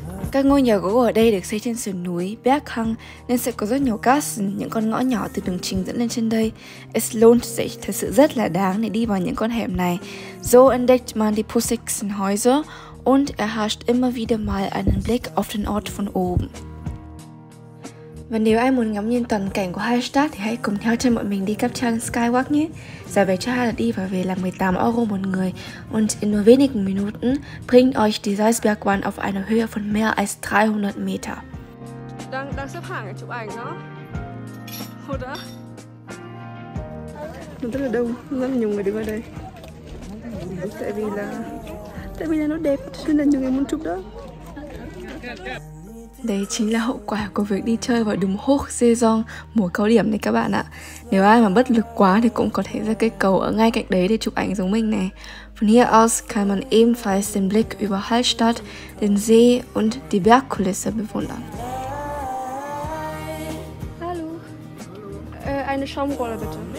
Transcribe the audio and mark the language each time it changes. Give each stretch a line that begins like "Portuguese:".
Vietnamese: Các ngôi nhà gỗ ở đây được xây trên sườn núi Berghang nên sẽ có rất nhiều castle, những con ngõ nhỏ từ đường chính dẫn lên trên đây.
German: Es lohnt sich,
Vietnamese: thật sự rất là đáng để đi vào những con hẻm này.
German: So entdeckt man die pussigsten Häuser und erhascht immer wieder mal einen Blick auf den Ort von oben.
Vietnamese: Và nếu ai muốn ngắm nhìn toàn cảnh của Hallstatt thì hãy cùng theo chân bọn mình đi cáp treo lên Skywalk nhé. Giá vé cho hai lượt đi và về là 18 euro một người.
German: Und in nur wenigen Minuten bringt euch die Salzbergwand auf eine Höhe von mehr als 300 Meter.
Vietnamese: Đang xếp hàng để chụp ảnh đó. Hồ đó. Nó rất là đông, rất là nhiều người đứng ở đây. Tại vì là nó đẹp, nên là nhiều người muốn chụp đó. Đấy chính là hậu quả của việc đi chơi vào đúng Hochsaison, mùa cao điểm này các bạn ạ. Nếu ai mà bất lực quá thì cũng có thể ra cây cầu ở ngay cạnh đấy để chụp ảnh giống mình này.
German: Von hier aus kann man ebenfalls den Blick über Hallstatt, den See und die Bergkulisse bewundern. Hallo. Hallo. Eine Schaumrolle bitte.